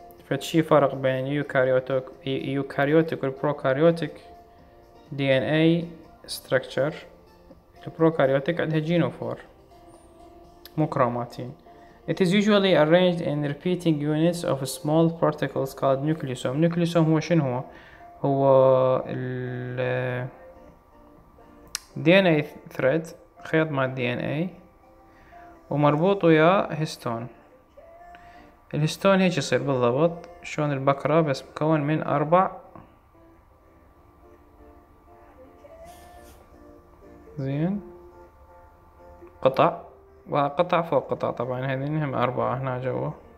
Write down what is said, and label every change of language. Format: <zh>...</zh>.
<ar>فشي فرق بين يوكاريوتيك والبروكاريوتيك دي ان اي ستراكشر. البروكاريوتيك عندها جينوفور مو كروماتين.</ar> <en>It is usually arranged in repeating units of small particles called nucleosome.</en> <ar>nucleosome هو شنو هو؟ هو ال دي ان اي ثريد، خيط مع الدي ان اي ومربوط ويا هيستون. الهستون هيك يصير بالضبط شلون البكرة، بس مكون من أربع زين قطع وقطع فوق قطع، طبعا هذين هم أربعة هنا جوا.</ar>